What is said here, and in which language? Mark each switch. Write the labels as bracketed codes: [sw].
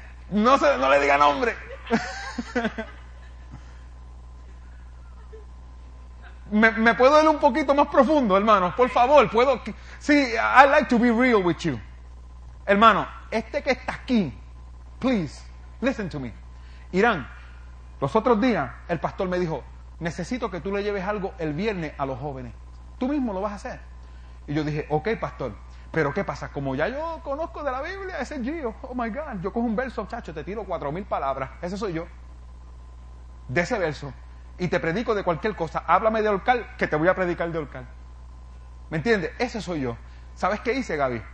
[es] No sé, no le diga nombre. Me puedo ir un poquito más profundo, hermano. Por favor, puedo. [en] Sí, I'd like to be real with you. [es] Hermano, este que está aquí, [en] please, listen to me. [es] Irán, los otros días el pastor me dijo, necesito que tú le lleves algo el viernes a los jóvenes. Tú mismo lo vas a hacer. Y yo dije, ok, pastor. Pero ¿qué pasa? Como ya yo conozco de la Biblia, ese Gio, [en] oh my God, [es] yo cojo un verso, chacho, te tiro 4,000 palabras, ese soy yo, de ese verso, y te predico de cualquier cosa, háblame de Orcal, que te voy a predicar de Orcal. ¿Me entiendes? Ese soy yo. ¿Sabes qué hice, Gaby?